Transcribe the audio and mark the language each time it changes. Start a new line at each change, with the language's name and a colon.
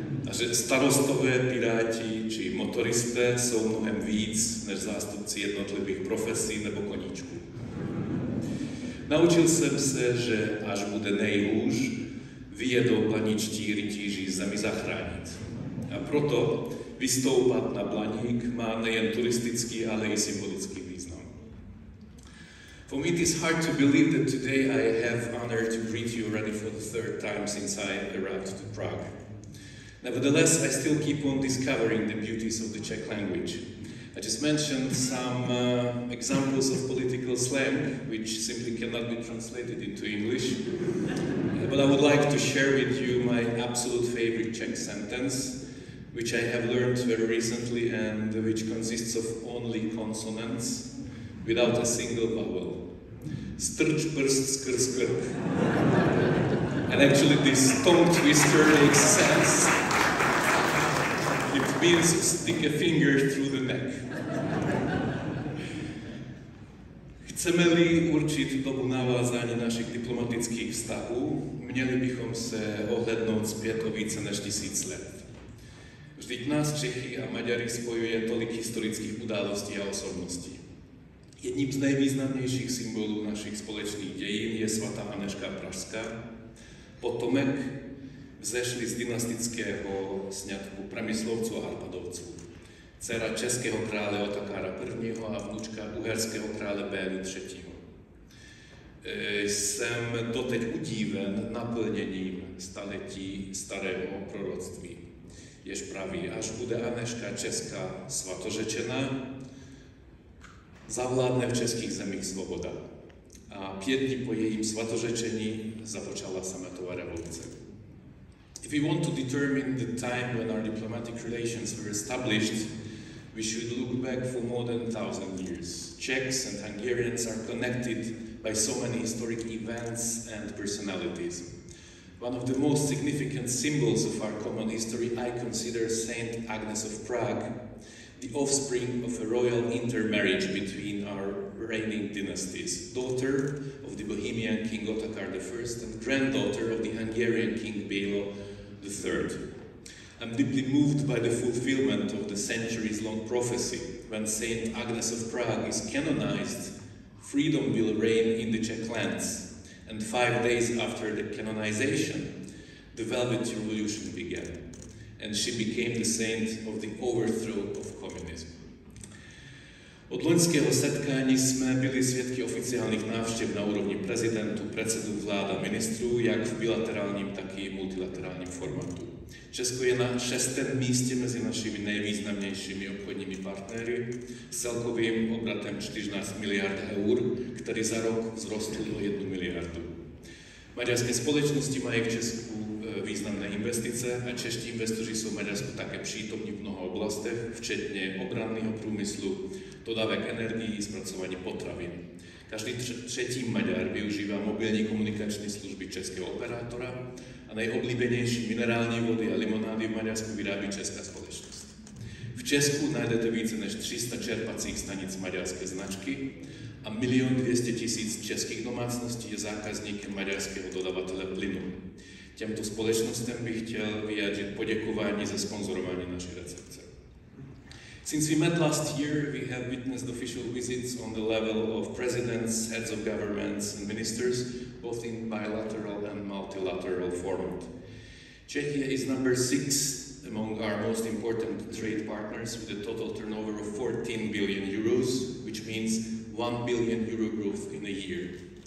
Czech: A že starostové, piráti či motoristé jsou mnohem víc než zástupci jednotlivých profesí nebo koníčků. Naučil jsem se, že až bude nejhůř, vyjedou planičtí rytíři zemi zachránit. A proto vystoupat na Blaník má nejen turistický, ale i symbolický význam.
English: For me it is hard to believe that today I have honor to greet you already for the third time since I arrived to Prague. Nevertheless, I still keep on discovering the beauties of the Czech language. I just mentioned some examples of political slang, which simply cannot be translated into English. But I would like to share with you my absolute favorite Czech sentence, which I have learned very recently and which consists of only consonants without a single vowel.
Czech: Strč prst skrz krk.
English: And actually this tongue twister makes sense. It means stick a finger through the neck.
Czech: Chceme-li určit dobu navázání našich diplomatických vztahů, měli bychom se ohlednout zpět o více než tisíc let. Vždyť nás Čechy a Maďary spojuje tolik historických událostí a osobností. Jedním z nejvýznamnějších symbolů našich společných dějin je svatá Anežka Pražská, potomek vzešli z dynastického sňatku Premyslovců a Arpadovců, dcera českého krále Otakára I. a vnučka uherského krále Bélu III. Jsem doteď udíven naplněním staletí starého proroctví, jež praví, až bude Anežka Česká svatořečena, zavládne v českých zemích svoboda. A 5 dní po jejím svatořečení započala sametová revoluce.
English: If we want to determine the time when our diplomatic relations were established, we should look back for more than 1,000 years. Czechs and Hungarians are connected by so many historic events and personalities. One of the most significant symbols of our common history, I consider Saint Agnes of Prague, the offspring of a royal intermarriage between our reigning dynasties, daughter of the Bohemian King Otakar I and granddaughter of the Hungarian King Bélo III. I'm deeply moved by the fulfillment of the centuries-long prophecy when Saint Agnes of Prague is canonized, freedom will reign in the Czech lands, and 5 days after the canonization, the Velvet Revolution began, and she became the saint of the overthrow of communism.
Czech: Od loňského setkání jsme byli svědky oficiálních návštěv na úrovni prezidentů, předsedů vlád a ministrů, jak v bilaterálním, tak i multilaterálním formatu. Česko je na 6. místě mezi našimi nejvýznamnějšími obchodními partnery s celkovým obratem 14 miliard eur, který za rok vzrostl do 1 miliardu. Maďarské společnosti mají v Česku významné investice a čeští investoři jsou v Maďarsku také přítomní v mnoha oblastech, včetně obranného průmyslu, dodávek energií, zpracování potravin. Každý třetí Maďar využívá mobilní komunikační služby českého operátora a nejoblíbenější minerální vody a limonády v Maďarsku vyrábí česká společnost. V Česku najdete více než 300 čerpacích stanic maďarské značky a 1 200 000 českých domácností je zákazníkem maďarského dodavatele plynu. Těmto společnostem bych chtěl vyjádřit poděkování za sponzorování naší recepce.
English: Since we met last year, we have witnessed official visits on the level of presidents, heads of governments and ministers, both in bilateral and multilateral format. Czechia is number 6 among our most important trade partners with a total turnover of 14 billion euros, which means 1 billion euro growth in a year.